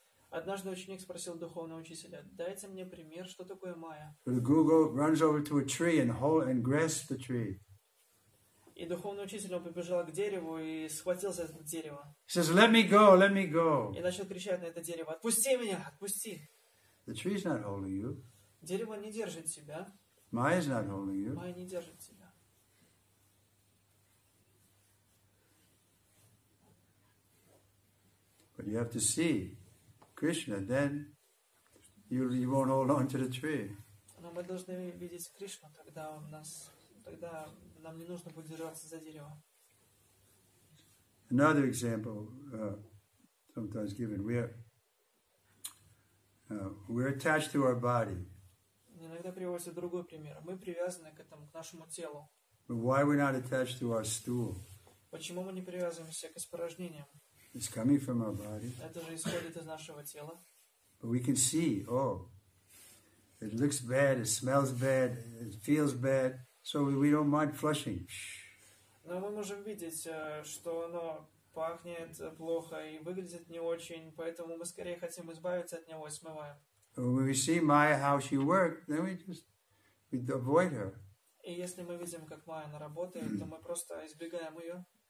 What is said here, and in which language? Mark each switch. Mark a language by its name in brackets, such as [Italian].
[Russian] Однажды ученик спросил духовного учителя: «Дайте мне пример, что такое майя». [English] The guru runs over to a tree and hold and grasps the tree. [Russian] И духовный учитель побежал к дереву и схватился за дерево. [English] He says, "Let me go, let me go." [Russian] И начал кричать на это дерево: «Отпусти меня, отпусти!» [English] The tree is not holding you. [Russian] Дерево не держит тебя. [English] Майя is not holding you. [Russian] Майя не держит тебя. [English] But you have to see Krishna, then you won't hold on to the tree. [Russian] Но мы должны видеть Кришну, тогда у нас, тогда нам не нужно будет держаться за дерево. [English] Another example, sometimes given, we're attached to our body. [Russian] Иногда приводится другой пример. Мы привязаны к этому, к нашему телу. [English] But why are we not attached to our stool? [Russian] Почему мы не привязываемся к испражнениям? [English] It's coming from our body. [Russian] Это же исходит из нашего тела. [English] But we can see, oh, it looks bad, it smells bad, it feels bad, so we don't mind flushing. [Russian] Но мы можем видеть, что оно пахнет плохо и выглядит не очень, поэтому мы скорее хотим избавиться от него и смываем. [English] When we see Maya how she works, then we avoid her. [Russian] И если мы видим, как Maya на работе, то мы просто избегаем ее.